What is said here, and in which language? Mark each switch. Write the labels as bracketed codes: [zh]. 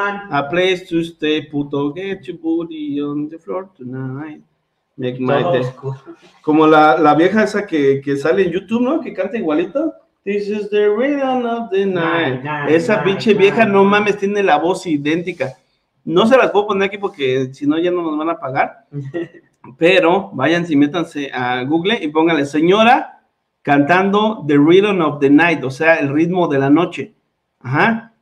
[en] a place to stay, [es] puto, [en] get your booty on the floor tonight. Make my day. [es] Como la vieja esa que sale en YouTube, ¿no? Que canta igualito. [en] This is the rhythm of the night. [es] Esa pinche vieja. No mames, tiene la voz idéntica. No se las puedo poner aquí porque si no ya no nos van a pagar. Pero vayan y métanse a Google y pónganle señora cantando [en] the rhythm of the night, [es] o sea, el ritmo de la noche. Ajá.